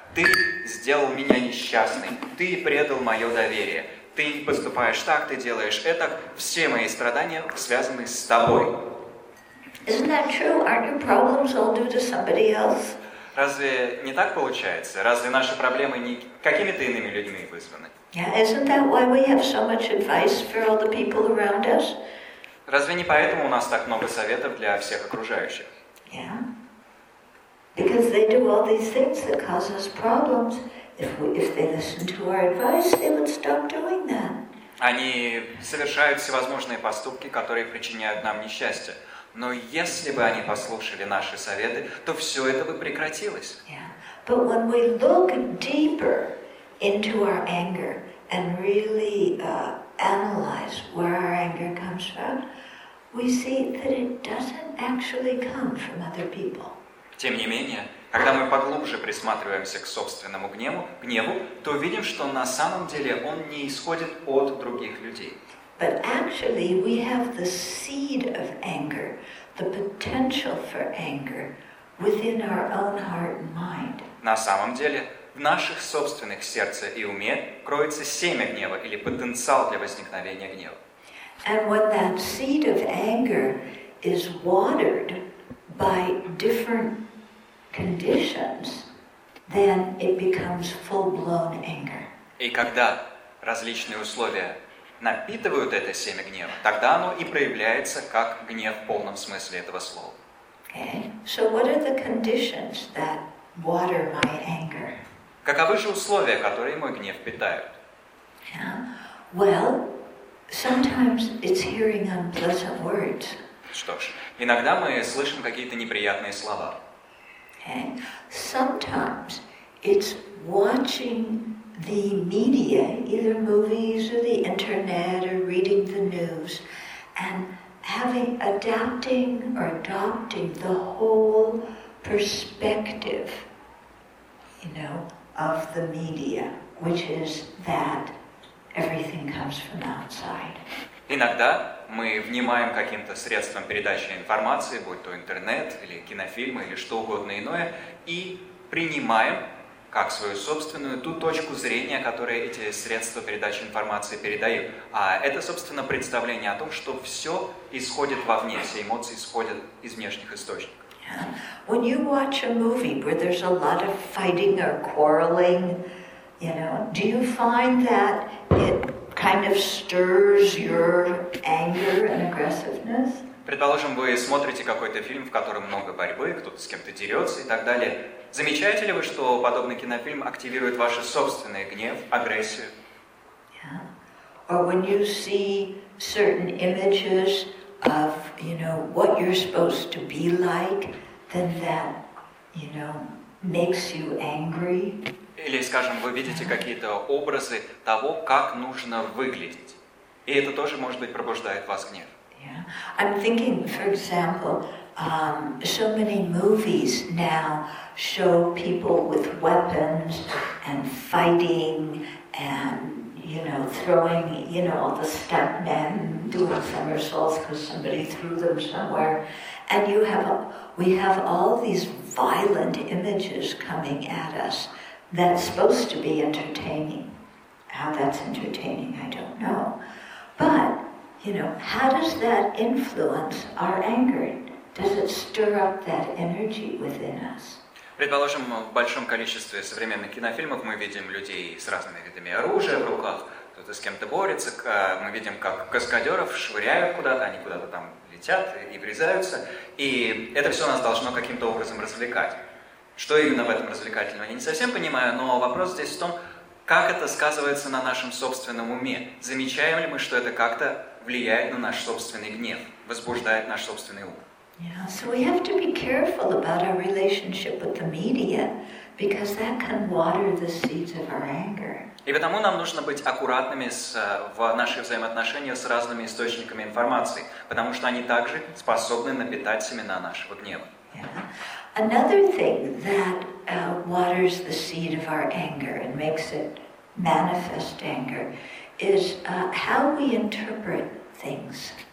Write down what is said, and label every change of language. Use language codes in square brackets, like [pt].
[ru] Ты сделал меня несчастным. Ты предал мое доверие. Ты поступаешь так, ты делаешь это. Все мои страдания связаны с тобой. [en] Isn't that true? Aren't your problems all due to somebody else? [ru] Разве не так получается? Разве наши проблемы не какими-то иными людьми вызваны? [en] Yeah, isn't that why we have so much advice for all the people around us? [ru] Разве не поэтому у нас так много советов для всех окружающих? [en] Yeah. Because they do all these things that cause us problems. If they listen to our advice, they would stop doing that. [ru] Они совершают всевозможные поступки, которые причиняют нам несчастье. Но если бы они послушали наши советы, то все это бы прекратилось. [en] Yeah. But when we look deeper into our anger and really analyze where our anger comes from, we see that it doesn't actually come from other people. [ru] Тем не менее, когда мы поглубже присматриваемся к собственному гневу, то видим, что на самом деле он не исходит от других людей. [en] But actually, we have the seed of anger, the potential for anger, within our own heart and mind. [ru] На самом деле, в наших собственных сердце и уме кроется семя гнева или потенциал для возникновения гнева. [en] And when that seed of anger is watered by different conditions, then it becomes full-blown anger. [ru] И когда различные условия напитывают это семя гнева, тогда оно и проявляется как гнев в полном смысле этого слова. [en] Okay. So what are the conditions that water my anger? [ru] Каковы же условия, которые мой гнев питают? [en] Yeah. Well, sometimes it's hearing unpleasant words. [ru] Что ж, иногда мы слышим какие-то неприятные слова. [en] Okay. Sometimes it's watching the media, either movies or the internet or reading the news, and adopting the whole perspective, you know, of the media, which is that Everything comes from outside. [ru] Иногда мы внимаем каким-то средством передачи информации, будь то интернет или кинофильмы или что угодно иное, и принимаем как свою собственную ту точку зрения, которую эти средства передачи информации передают. А это, собственно, представление о том, что все исходит вовне, все эмоции исходят из внешних источников. [en] Yeah. When you watch a movie where there's a lot of fighting or quarreling, you know, do you find that it kind of stirs your anger and aggressiveness? [ru] Предположим, вы смотрите какой-то фильм, в котором много борьбы, кто-то с кем-то дерется и так далее. Замечаете ли вы, что подобный кинофильм активирует ваш собственный гнев, агрессию? [en] Yeah. Or when you see certain images of, you know, what you're supposed to be like, then that, you know, makes you angry. [ru] Или, скажем, вы видите какие-то образы того, как нужно выглядеть. И это тоже, может быть, пробуждает вас гнев. [en] Yeah. I'm thinking, for example, so many movies now show people with weapons and fighting and, you know, throwing, you know, all the stuntmen doing somersaults because somebody threw them somewhere. And you have, we have all these violent images coming at us that's supposed to be entertaining. How that's entertaining, I don't know. But, you know, how does that influence our anger? Does it stir up that energy within us? [ru] Предположим, в большом количестве современных кинофильмов мы видим людей с разными видами оружия в руках, кто-то с кем-то борется, мы видим, как каскадеров швыряют куда-то, они куда-то там летят и врезаются, и это все нас должно каким-то образом развлекать. Что именно в этом развлекательного, я не совсем понимаю, но вопрос здесь в том, как это сказывается на нашем собственном уме. Замечаем ли мы, что это как-то влияет на наш собственный гнев, возбуждает наш собственный ум? [en] Yeah, so we have to be careful about our relationship with the media, because that can water the seeds of our anger. [ru] И потому нам нужно быть аккуратными в наших взаимоотношениях с разными источниками информации, потому что они также способны напитать семена нашего гнева. [en] Yeah. Another thing that waters the seed of our anger and makes it manifest anger is how we interpret things.